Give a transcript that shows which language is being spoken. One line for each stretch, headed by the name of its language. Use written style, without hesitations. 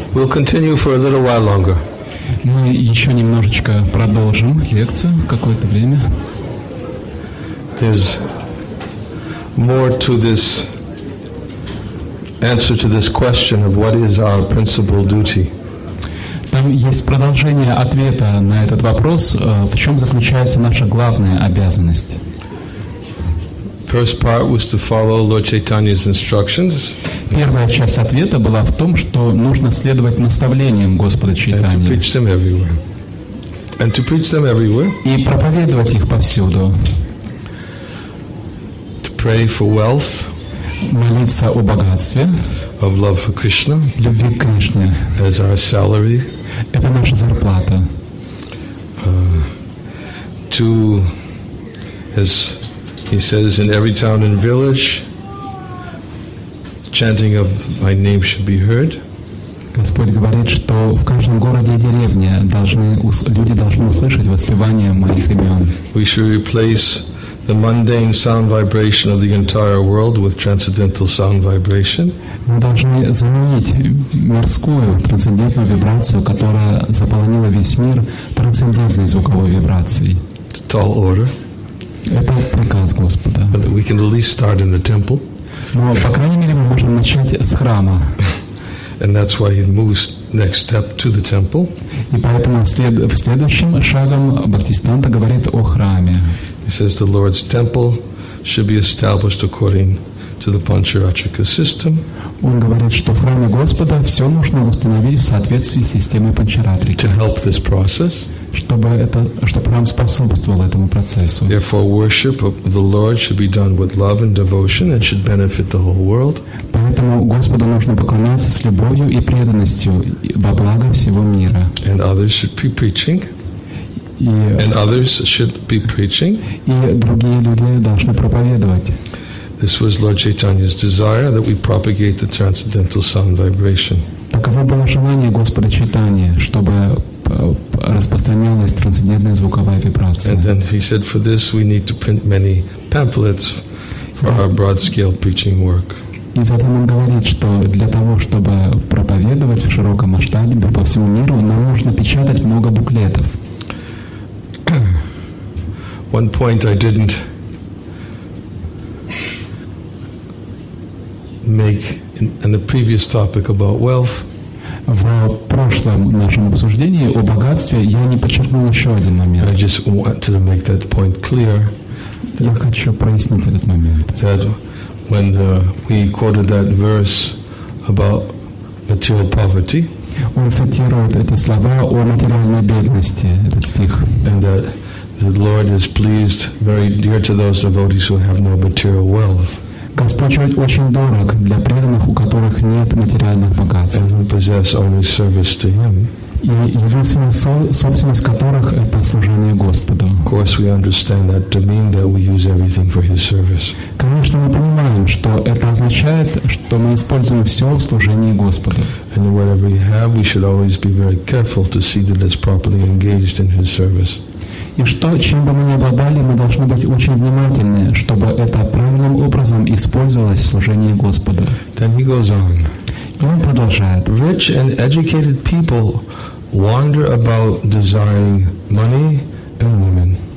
English: Continue for a little while longer.
Russian: Мы еще немножечко продолжим лекцию какое-то время.
English: There's more to this answer to this question of what is our principal duty.
Russian: Там есть продолжение ответа на этот вопрос, в чем заключается наша главная обязанность.
English: First part was to follow Lord Chaitanya's instructions.
Russian: Первая часть ответа была в том, что нужно следовать наставлениям Господа Чайтанья. И проповедовать их повсюду.
English: To pray for wealth,
Russian: молиться о богатстве.
English: Of love for Krishna,
Russian: любви к Кришне.
English: As our salary,
Russian: это наша зарплата.
English: To, as he says, in every town and village, chanting of my name should be heard.
Russian: Господь говорит, что в каждом городе и деревне люди должны услышать воспевание моих имен.
English: We should replace the mundane sound vibration of the entire world with transcendental sound vibration.
Russian: Мы должны заменить мирскую трансцендентную вибрацию, которая заполонила весь мир, трансцендентной звуковой вибрацией.
English: The tall order.
Russian: Это приказ Господа.
English: But we can at least start in the temple.
Russian: Но, по крайней мере, мы можем начать с храма.
English: And that's why he moves next step to the temple.
Russian: И поэтому в следующем шагом Бхактисиддханта говорит о храме.
English: He says the Lord's temple should be established according to the Pancharatrika system.
Russian: Он говорит, что в храме Господа все нужно установить в соответствии с системой Панчаратрики.
English: To help this process.
Russian: Чтобы храм способствовал этому процессу.
English: Therefore, worship of the Lord should be done with love and devotion and should benefit the whole world.
Russian: Поэтому Господу нужно поклоняться с любовью и преданностью во благо всего мира.
English: And others should be preaching. And others should be preaching.
Russian: И другие люди должны проповедовать.
English: This was Lord Chaitanya's desire that we propagate the transcendental sound vibration.
Russian: Таково было желание Господа Чайтаньи, чтобы распространялась трансцендентная звуковая вибрация.
English: And then he said, for this we need to print many pamphlets for our broad-scale preaching work.
Russian: И затем он говорит, что для того, чтобы проповедовать в широком масштабе по всему миру, нам нужно печатать много буклетов.
English: One point I didn't make in the previous topic about wealth.
Russian: В прошлом нашем обсуждении о богатстве я не подчеркнул еще один момент.
English: I just wanted to make that point clear.
Russian: Я хочу прояснить этот момент.
English: That when we quoted that verse about material poverty.
Russian: Он цитирует эти слова о материальной бедности, этот стих.
English: And that the Lord is pleased very dear to those devotees who have no material wealth.
Russian: Господь очень дорог для преданных, у которых нет материальных богатств.
English: And who possess only service to Him.
Russian: И единственная собственность которых — это служение Господу.
English: Of course, we understand that to mean that we use everything for His service.
Russian: Конечно, мы понимаем, что это означает, что мы используем все в служении Господу.
English: And whatever we have, we should always be very careful to see that it's properly engaged in His service.
Russian: И что, чем бы мы ни обладали, мы должны быть очень внимательны, чтобы это правильным образом использовалось в служении Господу.
English: Then he goes on.
Russian: И он продолжает.
English: Rich and educated people wander about desiring money and women.